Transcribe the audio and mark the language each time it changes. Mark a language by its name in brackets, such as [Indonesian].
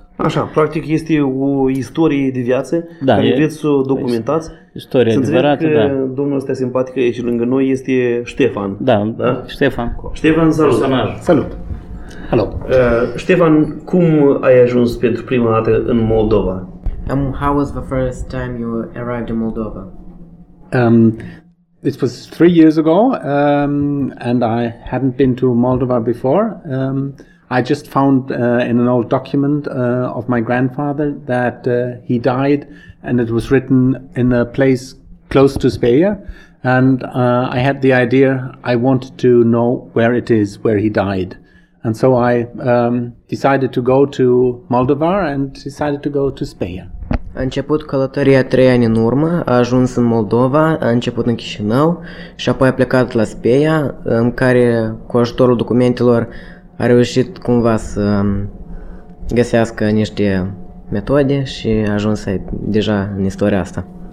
[Romanian] Așa, practic este o istorie de viață, da, care vreți să o documentați. Istoria adevărată, că da. Domnul ăsta simpatic aici lângă noi este Ștefan. Da, da? Ștefan. Ștefan, salut. Salut. Alo. Ștefan, cum ai ajuns pentru prima dată în Moldova? [English] How was the first time you arrived in Moldova? It was 3 years ago, and I hadn't been to Moldova before. I just found in an old document of my grandfather that he died, and it was written in a place close to Speyer. And I had the idea I wanted to know where it is, where he died. And so I decided to go to Moldova and decided to go to Speyer. [Romanian] A început călătoria 3 ani în urmă, a ajuns în Moldova, a început în Chișinău și apoi a plecat la Speia, în care, cu ajutorul documentelor, a reușit cumva să găsească niște metode și a ajuns deja în istoria asta.